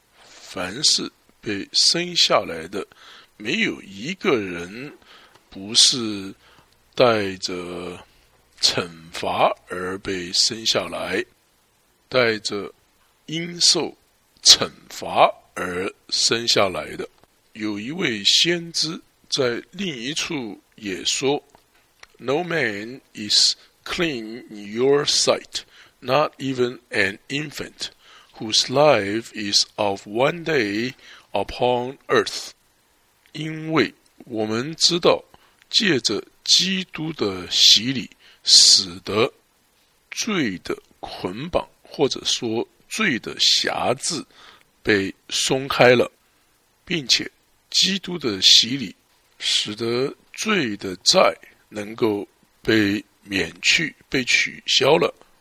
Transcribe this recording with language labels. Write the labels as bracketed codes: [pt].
[zh] 凡是被生下来的，没有一个人不是带着惩罚而被生下来，带着应受惩罚而生下来的。有一位先知在另一处也说， [en] No man is clean in your sight, not even an infant, whose life is of one day upon earth。 [zh] 因为我们知道借着基督的洗礼，使得罪的捆绑或者说罪的辖制被松开了，并且基督的洗礼使得罪的债能够被免去，被取消了。